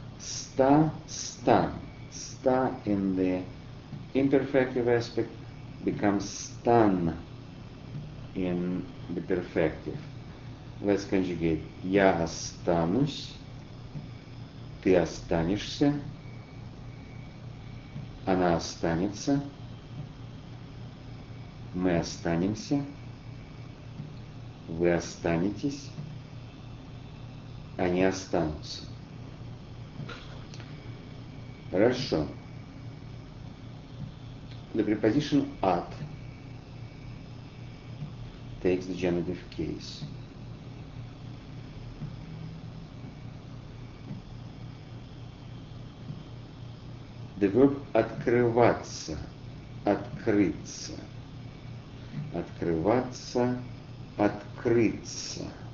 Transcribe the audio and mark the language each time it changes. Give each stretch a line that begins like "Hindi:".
English: Sta, stan. Sta in the imperfective aspect becomes stan in the perfective. Let's conjugate.
Russian: Я останусь, ты останешься, она останется, мы останемся, вы останетесь, они останутся. Хорошо.
English: The preposition at takes the genitive case. The verb открываться, открыться.
Russian: Открываться, открыться.